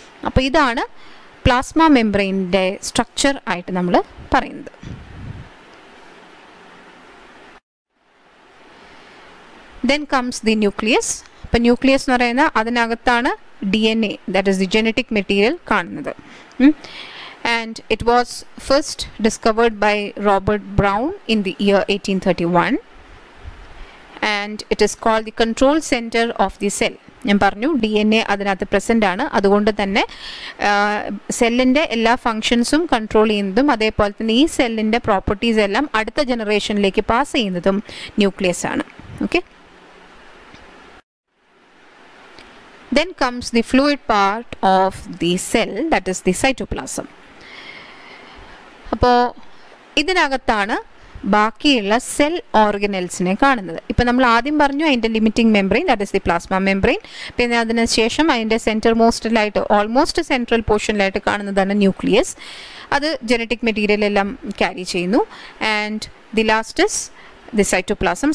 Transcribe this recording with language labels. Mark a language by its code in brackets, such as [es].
[ml] അപ്പോൾ ഇതാണ് plasma മെംബ്രെയിൻ്റെ structure ആയിട്ട് നമ്മൾ പറയുന്നത്. [en] Then comes the nucleus. [ml] അപ്പോൾ ന്യൂക്ലിയസ് എന്ന് പറയുന്ന അതിനകത്താണ് DNA, [en] that is the genetic material, [ml] കാണുന്നത്. [en] And it was first discovered by Robert Brown in the year 1831. And it is called the control center of the cell. [ml] ഞാൻ പറഞ്ഞു D N A അതിനകത്ത് present ആണ്. അതുകൊണ്ട് തന്നെ സെല്ലിൻ്റെ എല്ലാ ഫങ്ഷൻസും control ചെയ്യുന്നതും അതേപോലെ തന്നെ ഈ സെല്ലിൻ്റെ പ്രോപ്പർട്ടീസ് എല്ലാം അടുത്ത ജനറേഷനിലേക്ക് പാസ് ചെയ്യുന്നതും ന്യൂക്ലിയസ് ആണ്. Okay. [en] Then comes the fluid part of the cell, that is the cytoplasm. [ml] അപ്പോൾ ഇതിനകത്താണ് ബാക്കിയുള്ള സെൽ ഓർഗനൽസിനെ കാണുന്നത്. ഇപ്പോൾ നമ്മൾ ആദ്യം പറഞ്ഞു അതിൻ്റെ limiting membrane, [en] That is the plasma membrane. [ml] പിന്നെ അതിന് ശേഷം അതിൻ്റെ സെൻറ്റർ മോസ്റ്റിലായിട്ട്, ഓൾമോസ്റ്റ് സെൻട്രൽ പോർഷനിലായിട്ട് കാണുന്നതാണ് ന്യൂക്ലിയസ്. അത് ജനറ്റിക് മെറ്റീരിയൽ എല്ലാം ക്യാരി ചെയ്യുന്നു. [en] And the last is the cytoplasm.